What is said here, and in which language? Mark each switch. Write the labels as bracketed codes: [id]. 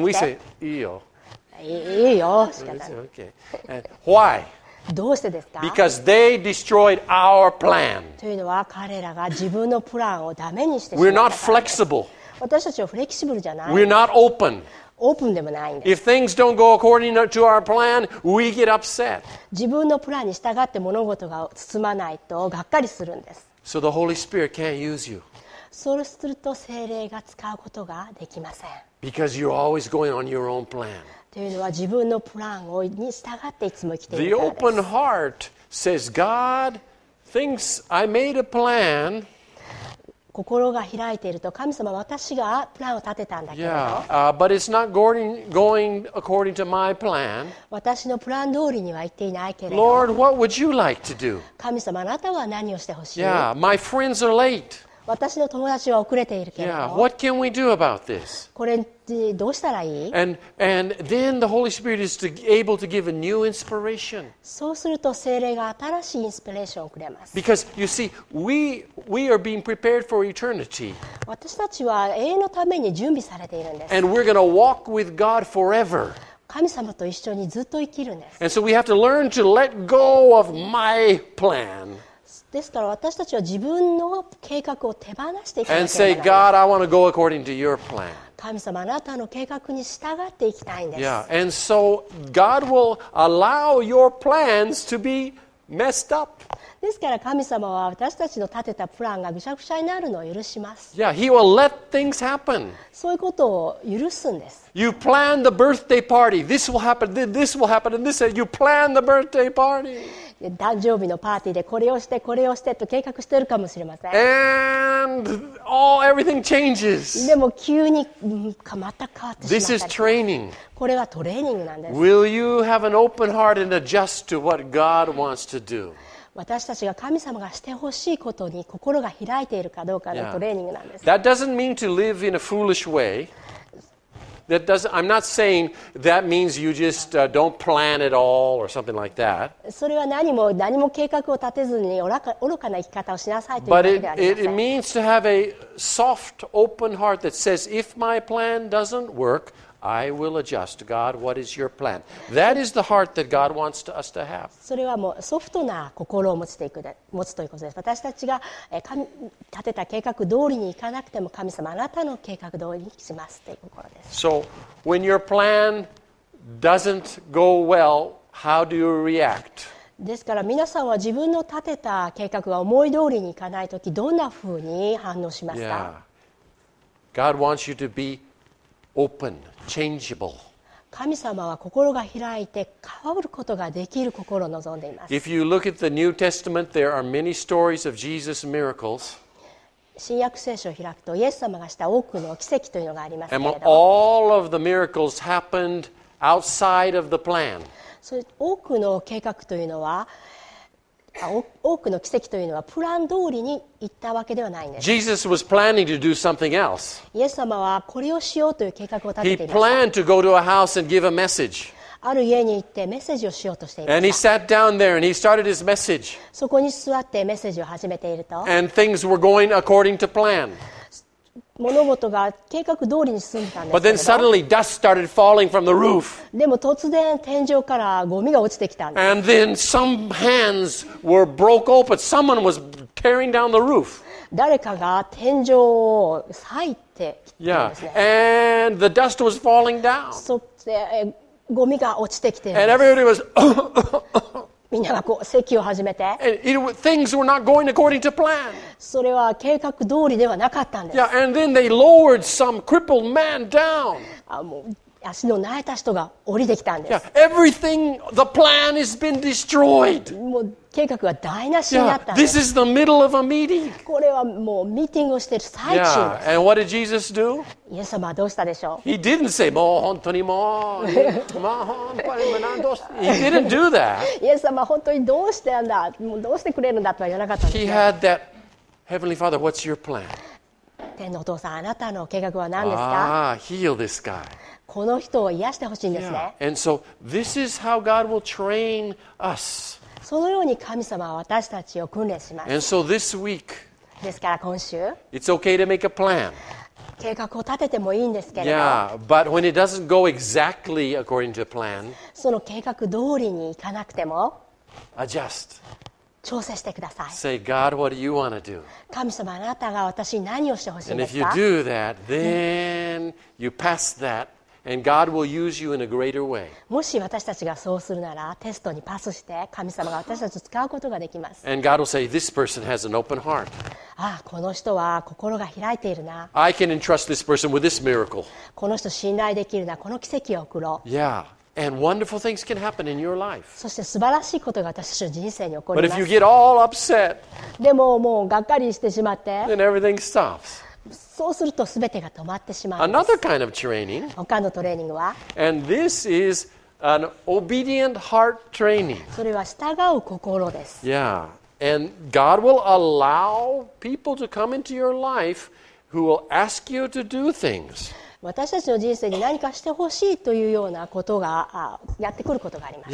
[en] And we say, [ja] いいよ。いいよ、仕方ない。 [en] Okay. And why? [ja] どうしてですか? [en] Because they destroyed our plan. [ja] というのは彼らが自分のプランをダメにしてしまったからです。 [en] We're not flexible. [ja] 私たちはフレキシブルじゃない。 [en] We're not open. [ja] オープンでもないんです。 [en] If things don't go according to our plan, we get upset. [ja] 自分のプランに従って物事が進まないとがっかりするんです。 [en] So the Holy Spirit can't use you. [ja] そうすると聖霊が使うことができません。 [en] Because you're always going on your own plan. [ja] というのは自分のプランに従っていつも生きているからです。 [en] The open heart says, God thinks I made a plan. [ja] 心が開いていると神様私がプランを立てたんだけど [en] yeah,、but it's not going according to my plan. [ja] 私のプラン通りには行っていないけれど [en] Lord, what would you like to do? [ja] 神様あなたは何をしてほしい [en] yeah, my friends are late. [ja] 私の友達は遅れているけど。 [en] Yeah, what can we do about this? [ja] これどうしたらいい? [en] And then the Holy Spirit is able to give a new inspiration. [ja] そうすると聖霊が新しいインスピレーションをくれます。 [en] Because you see, we are being prepared for eternity. [ja] 私たちは永遠のために準備されているんです。 [en] And we're going to walk with God forever. [ja] 神様と一緒にずっと生きるんです。 [en] And so we have to learn to let go of my plan. [ja] ですから私たちは自分の計画を手放していきたい。 [en] And say, God, I want to go according to your plan. [ja] 神様、あなたの計画に従っていきたいんです。 [en] Yeah. And so God will allow your plans to be messed up. [ja] ですから神様は私たちの立てたプランがぐしゃぐしゃになるのを許します。 [en] Yeah, he will let things happen. [ja] そういうことを許すんです。 [en] You plan the birthday party. This will happen, this will happen, and this, you plan the birthday party. [ja] 誕生日のパーティーでこれをして、これをしてと計画してるかもしれません。 [en] And all, everything changes. [ja] でも急に全く変わってしまったり。 [en] This is training. [ja] これはトレーニングなんです。 [en] Will you have an open heart and adjust to what God wants to do? [ja] 私たちが神様がしてほしいことに心が開いているかどうかのトレーニングなんです。 [en] Yeah. That doesn't mean to live in a foolish way. That doesn't, I'm not saying that means you just don't plan at all or something like that. [ja] それは何も計画を立てずに愚かな生き方をしなさいというわけではありません。 [en] But it means to have a soft, open heart that says, if my plan doesn't work,I will adjust. God, what is your plan? That is the heart that God wants us to have. [ja] それはもうソフトな心を持つということです。私たちが立てた計画通りにいかなくても、神様あなたの計画通りにしますという心です。 [en] So when your plan doesn't go well, how do you react? [ja] ですから皆さんは自分の立てた計画が思い通りにいかないとき、どんなふうに反応しますか? [en] God wants you to be open. Changeable. [ja] 神様は心が開いて変わることができる心を望んでいます。 [en] If you look at the New Testament, there are many stories of Jesus' miracles. [ja] 新約聖書を開くと、イエス様がした多くの奇跡というのがありますけれど。 [en] And all of the miracles happened outside of the plan. [ja] そう、多くの計画というのは、多くの奇跡というのはプラン通りに行ったわけではないんです。 [en] Jesus was planning to do something else. [ja] イエス様はこれをしようという計画を立てていました。 [en] He planned to go to a house and give a message. [ja] ある家に行ってメッセージをしようとしていました。 [en] And he sat down there and he started his message. [ja] そこに座ってメッセージを始めていると。 [en] And things were going according to plan. [ja] 物事が計画通りに進んでたんですけど。 [en] But then suddenly dust started falling from the roof. [ja] でも突然天井からゴミが落ちてきたんです。 [en] And then some hands were broke open. Someone was tearing down the roof. [ja] 誰かが天井を裂いてきたんですね。 [en] Yeah. And the dust was falling down. [ja] そして、ゴミが落ちてきてるんです。 [en] And everybody was [ja] みんながこう咳を始めて [en] things were not going according to plan. [ja] それは計画通りではなかったんです。 [en] Yeah, and then they lowered some crippled man down. [ja] もう足のなえた人が降りてきたんです。 [en] Yeah, everything, the plan has been destroyed. [ja] もう計画が台無しになったんです。 [en] Yeah, this is the middle of a meeting. [ja] これはもうミーティングをしている最中です。 [en] Yeah, and what did Jesus do? [ja] イエス様はどうしたでしょう? [en] He didn't say, [ja] もう本当にもう、もう本当にもう何どうして、 [en] He didn't do that. [ja] イエス様は本当にどうしてなんだ、もうどうしてくれるんだとは言わなかったんです。 [en] He had that, Heavenly Father, what's your plan? [ja] 天のお父さん、あなたの計画は何ですか? [en] Heal this guy. [ja] この人を癒してほしいんですね。 [en] Yeah. And so, this is how God will train us. [ja] そのように神様は私たちを訓練します。 [en] And so this week, [ja] ですから今週、 [en] it's okay to make a plan. [ja] 計画を立ててもいいんですけれど。 [en] Yeah, but when it doesn't go exactly according to plan, [ja] その計画通りにいかなくても、 [en] adjust. [ja] 調整してください。 [en] Say, God, what do you want to do? [ja] 神様、あなたが私に何をしてほしいんですか? [en] And if you do that, then you pass that. And God will use you in a greater way. [ja] もし私たちがそうするなら、テストにパスして、神様が私たちを使うことができます。 [en] And God will say, this person has an open heart. [ja] ああ、この人は心が開いているな。 [en] I can entrust this person with this miracle. [ja] この人信頼できるな、この奇跡を送ろう。 [en] Yeah. And wonderful things can happen in your life. [ja] そして素晴らしいことが私たちの人生に起こります。 [en] But if you get all upset, [ja] でももうがっかりしてしまって、 [en] then everything stops. [ja] そうすると全てが止まってしまうんです。 [en] Another kind of training. [ja] 他のトレーニングは? [en] And this is an obedient heart training. [ja] それは従う心です。 [en] Yeah. And God will allow people to come into your life who will ask you to do things. [ja] 私たちの人生に何かしてほしいというようなことがやってくることがあります。